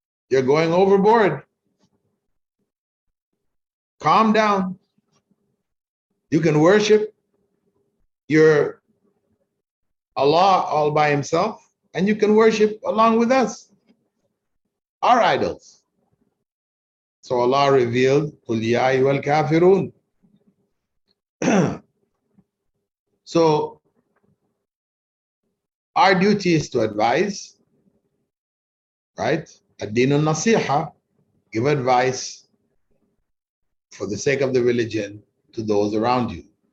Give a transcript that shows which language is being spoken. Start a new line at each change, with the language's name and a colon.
English: You're going overboard. Calm down. You can worship your Allah all by himself, and you can worship along with us, our idols. So Allah revealed,
Arabic: قُلْ يَا أَيُّهَا الْكَافِرُونَ.
English: So our duty is to advise, right? Ad-dinu nasiha, give advice for the sake of the religion to those around you.